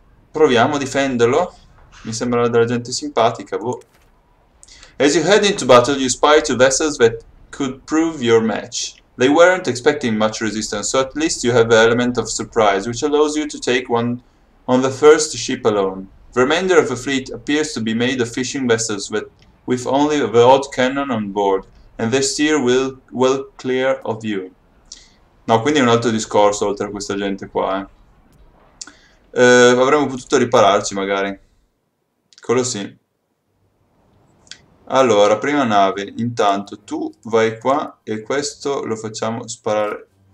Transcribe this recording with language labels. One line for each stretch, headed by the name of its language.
Italian: Proviamo a difenderlo. Mi sembra della gente simpatica, boh.
English: As you head into battle, you spy two vessels that could prove your match. They weren't expecting much resistance, so at least you have the element of surprise, which allows you to take one on the first ship alone. The remainder of the fleet appears to be made of fishing vessels with only the odd cannon on board, and they steer well clear of you.
Italian: No, quindi è un altro discorso oltre a questa gente qua, eh. Avremmo potuto ripararci, magari. Quello sì. Allora, prima nave, intanto tu vai qua e questo lo facciamo sparare.